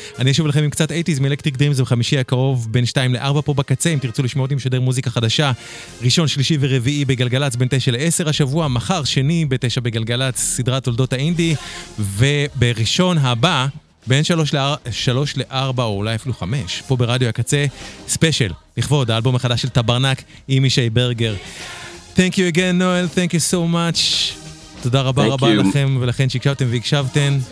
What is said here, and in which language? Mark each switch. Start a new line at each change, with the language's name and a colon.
Hebrew: אני אשוב לכם עם קצת 80s, מ-Electric Dreams, בחמישי הקרוב, בין 2-4 פה בקצה, אם תרצו לשמוע אותי משדר מוזיקה חדשה, ראשון, שלישי ורביעי בגלגלץ, בין 9-10 השבוע, מחר, שני, ב-9 בגלגלץ, סדרת תולדות האינדי, ובראשון הבא, בין 3-4, או אולי אפילו 5, פה ברדיו הקצה, ספשייל, לכבוד, האלבום החדש של טברנק, עם מישי ברגר.
English: Thank you again, Noel, thank you so much.
Hebrew: תודה רבה thank רבה you. לכם ולכן שהקשבתם והקשבתן.